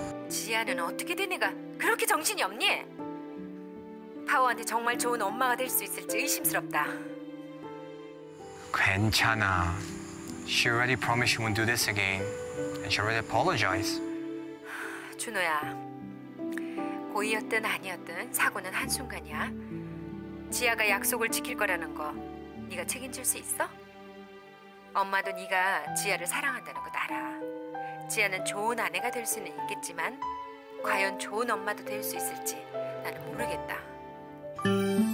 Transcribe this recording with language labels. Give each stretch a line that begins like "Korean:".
Korean: 지아는 어떻게 된 애가 그렇게 정신이 없니? 파워한테 정말 좋은 엄마가 될 수 있을지 의심스럽다. 괜찮아.
English: She already promised she won't do this again. And she already apologized.
Korean: 준호야, 고의였든 아니었든 사고는 한순간이야. 지아가 약속을 지킬 거라는 거 네가 책임질 수 있어? 엄마도 네가 지아를 사랑한다는 거 알아. 지아는 좋은 아내가 될 수는 있겠지만 과연 좋은 엄마도 될 수 있을지 나는 모르겠다.